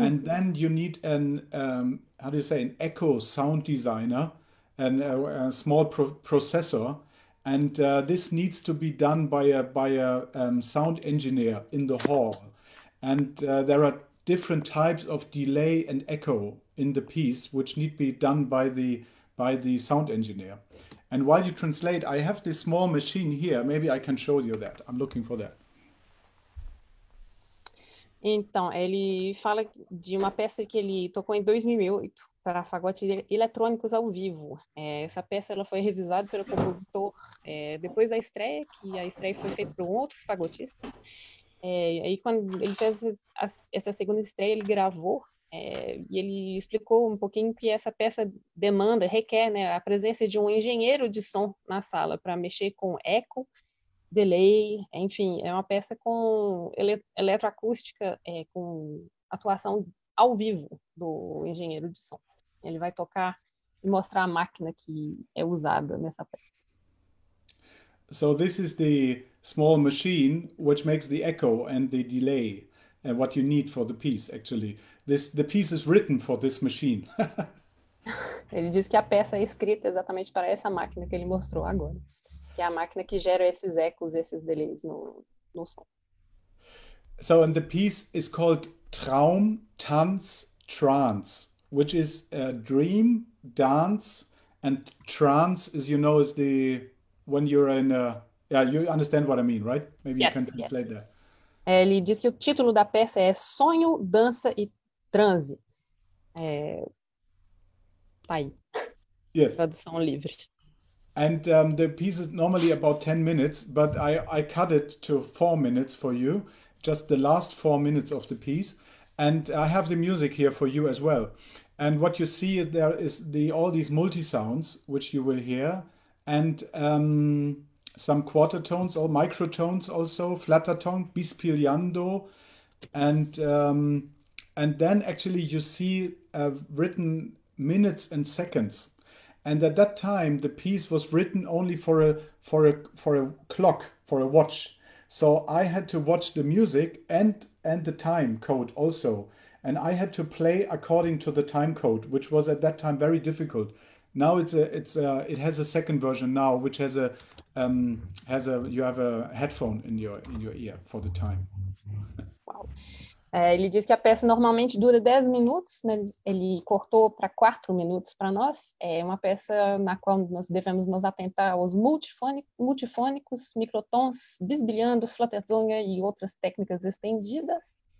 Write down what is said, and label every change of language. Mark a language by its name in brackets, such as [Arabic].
[English] And then you need an an echo sound designer and a small processor, and this needs to be done by a sound engineer in the hall. And there are different types of delay and echo in the piece which need to be done by the sound engineer. And while you translate, I have this small machine here. Maybe I can show you that. I'm looking for that. [Portuguese] Então, ele fala de uma peça que ele tocou em 2008 para fagotes eletrônicos ao vivo. Essa peça ela foi revisada pelo compositor depois da estreia, que a estreia foi feita por um outro fagotista. Aí quando ele fez essa segunda estreia, ele gravou e ele explicou um pouquinho que essa peça demanda, requer, né, a presença de um engenheiro de som na sala para mexer com eco, delay, enfim, é uma peça com eletroacústica, com atuação ao vivo do engenheiro de som. Ele vai tocar e mostrar a máquina que é usada nessa peça. [English] So this is the small machine which makes the echo and the delay and what you need for the piece, actually. The piece is written for this machine. [Portuguese] Ele diz que a peça é escrita exatamente para essa máquina que ele mostrou agora, que é a máquina que gera esses ecos, esses delays no som. [English] So, and the piece is called Traum, Tanz, Trance, which is a dream, dance, and trance, as you know, is the, when you're in a, yeah, you understand what I mean, right? Maybe yes, you can translate yes. that. [Portuguese] Ele disse que o título da peça é Sonho, Dança e Transe. Tá aí. [English] Yes. [Portuguese] Tradução livre. [English] And the piece is normally about 10 minutes, but I cut it to 4 minutes for you, just the last 4 minutes of the piece. And I have the music here for you as well. And what you see is there is all these multi-sounds, which you will hear, and some quarter tones or microtones also, flatter tone, bispiliando, and then actually you see written minutes and seconds. And at that time, the piece was written only for a clock, for a watch. So I had to watch the music and the time code also. And I had to play according to the time code, which was at that time very difficult. Now it has a second version now, which has a headphone in your ear for the time. Wow. [Portuguese] Ele diz que a peça normalmente dura 10 minutos, mas ele cortou para 4 minutos para nós. É uma peça na qual nós devemos nos atentar aos multifônicos, microtons, bisbilhando, flatezonga e outras técnicas estendidas.